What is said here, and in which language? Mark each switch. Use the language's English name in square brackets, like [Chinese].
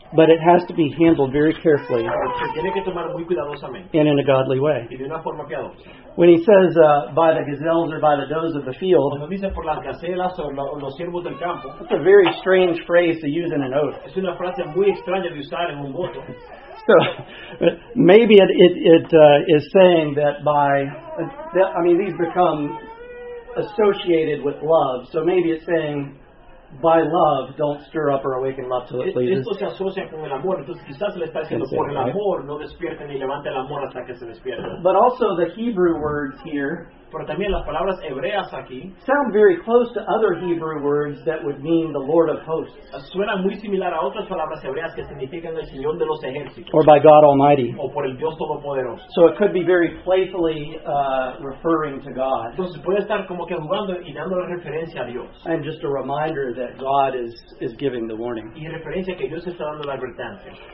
[English] But it has to be handled very carefully. [Spanish] Se tiene que tomar muy cuidadosamente. [English] And in a godly way. [Spanish] Y de una forma piadosa. [English] When he says, by the gazelles or by the does of the field, [Spanish] cuando dice por las gazelas o los ciervos del campo, [English] that's a very strange phrase to use in an oath. [Spanish] Es una frase muy extraña de usar en un voto. [English] So maybe it is saying that these become associated with love. So maybe it's saying, by love, don't stir up or awaken love till it pleases. [Spanish] Esto se asocia con el amor. Entonces quizás le está diciendo por el amor, no despierte ni levante el amor hasta que se despierta. [English] But also the Hebrew words here. [Spanish] Pero también las palabras hebreas aquí [English] sound very close to other Hebrew words that would mean the Lord of hosts. [Spanish] Suena muy similar a otras palabras hebreas que significan el Señor de los ejércitos. [English] Or by God Almighty. [Spanish] O por el Dios todopoderoso. [English] So it could be very playfully referring to God. [Spanish] Entonces puede estar como que jugando y dando la referencia a Dios. [English] And just a reminder that God is giving the warning. [Spanish] Y referencia que Dios está dando la advertencia.